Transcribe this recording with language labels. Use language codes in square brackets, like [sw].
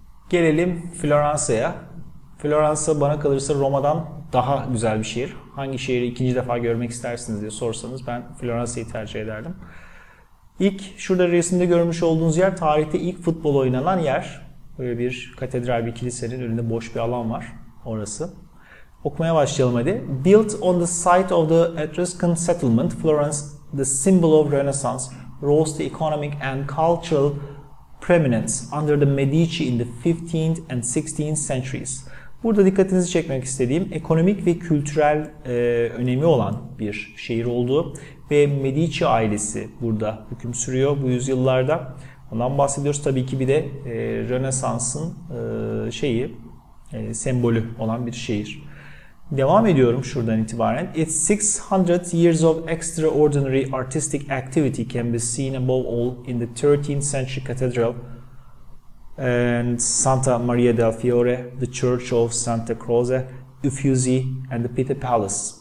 [tr] Gelelim Floransa'ya. Floransa bana kalırsa Roma'dan daha güzel bir şehir. Hangi şehri ikinci defa görmek istersiniz diye sorsanız ben Floransa'yı tercih ederdim. İlk şurada resimde görmüş olduğunuz yer tarihte ilk futbol oynanan yer. Böyle bir katedral, bir kilisenin önünde boş bir alan var orası. Okumaya başlayalım hadi. [en] Built on the site of the Etruscan settlement, Florence, the symbol of Renaissance, rose to economic and cultural prominence under the Medici in the 15th and 16th centuries. [tr] Burada dikkatinizi çekmek istediğim ekonomik ve kültürel önemi olan bir şehir oldu. Ve Medici ailesi burada hüküm sürüyor bu yüzyıllarda. Ondan bahsediyoruz tabii ki, bir de Rönesans'ın şeyi, sembolü olan bir şehir. Devam ediyorum şuradan itibaren. [en] It's 600 years of extraordinary artistic activity can be seen above all in the 13th century cathedral and Santa Maria del Fiore, the Church of Santa Croce, Uffizi and the Pitti Palace.